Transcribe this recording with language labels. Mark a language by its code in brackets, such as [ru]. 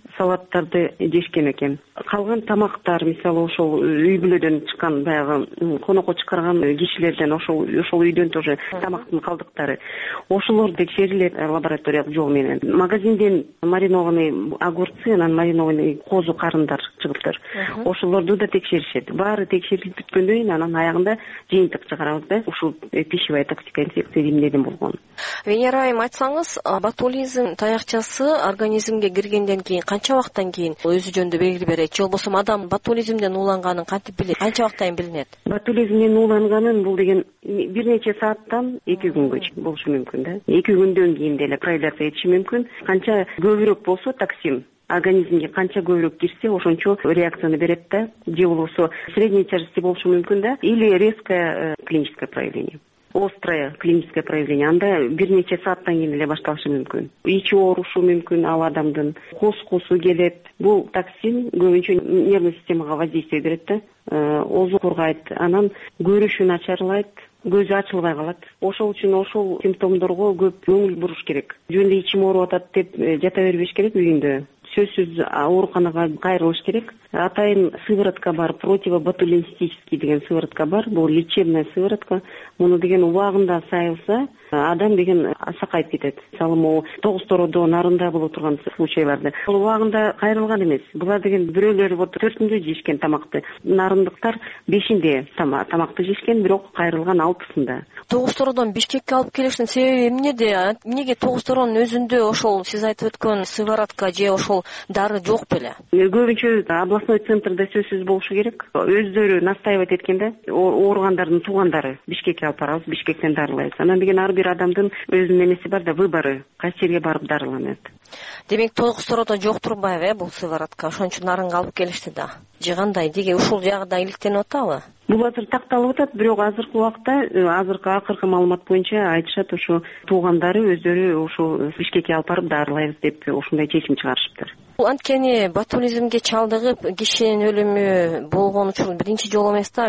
[ky] салаттарды жешкен экен. Калган тамактар, мисалы, ошол үй бүлөдөн чыккан баягы конокко чыгарган кишилерден ошол үйдөн тоже тамактын калдыктары. Ошолорду текшерилет лабораториялык жол менен. Магазинден маринованный огурцы, анан маринованный козу карындар чыгыптыр. Ошолорду да текшеришет. Баары текшерилип бүткөндөн кийин анан аягында жыйынтык чыгарабыз да. Ушул пищевая токсик инфекция эмнеден болгон. Венера айым, айтсаңыз, ботулизм таякчасы организмге киргенден кийин канча убакыттан кийин өзү жөнүндө белгилер берет? Же болбосо адам ботулизмден ууланганын кантип билет? Канча убакыттан билинет? Ботулизмден ууланганын бул деген бир нече сааттан 2 күнгө чейин болушу мүмкүн да. 2 күндөн кийин деле проявляться этиши мүмкүн. Канча көбүрөөк болсо токсин организмге канча көбүрөөк кирсе ошончо реакцияны берет да. Же болбосо средней тяжести болушу мүмкүн да. [ru] Или резкое клиническое проявление. [ky] Острое клиническое проявление, анда бир нече сааттан кийин эле башталышы мүмкүн. Ич оорушу мүмкүн ал адамдын, коскусу келет. Бул токсин көбүнчө нервный системага воздействие берет да, озу кургайт, анан көрүшү начарлайт, көзү ачылбай калат. Ошол үчүн ошол симптомдорго көп көңүл буруш керек. Жөнүндө ичим ооруп атат деп жата бербеш керек үйүндө. Сөзсүз ооруканага кайрылыш керек. Атайын сыворотка бар, противоботулинистический деген сыворотка бар, бул лечебная сыворотка. Муну деген убагында сайылса, адам деген сакайып кетет. Мисалы, могу 9 тороодо нарында боло турган случайларды. Бул убагында кайрылган эмес. Булар деген бирөөлөр вот 4-үндө жешкен тамакты, нарындыктар 5-үндө тамакты жешкен, бирок кайрылган 6-сында. 9 тороодон Бишкекке алып келишинин себеби эмнеде? Эмнеге 9 тороонун өзүндө ошол сиз айтып өткөн сыворотка же ошол дары жок беле? Көбүнчө областной центрде сөзсүз болушу керек. Өздөрү настаивать эткенде ооругандардын туугандары Бишкекке алып барабыз, Бишкектен дарылайбыз. Анан деген ар бир адамдын өзүнүн эмеси бар да, выбору, кайсы жерге барып дарыланат. Демек 9 тороодо жок турбайбы э бул сыворотка? Ошон үчүн нарынга алып келишти да. Же кандай? Деги ушул жагда иликтенип атабы? Бул азыр такталып атат, бирок азыркы убакта, азыркы акыркы маалымат боюнча айтышат, ошо туугандары өздөрү ошо Бишкекке алып барып дарылайбыз деп ушундай чечим чыгарышыптыр. Анткени ботулизмге чалдыгып кишинин өлүмү болгон учур биринчи жолу эмес да.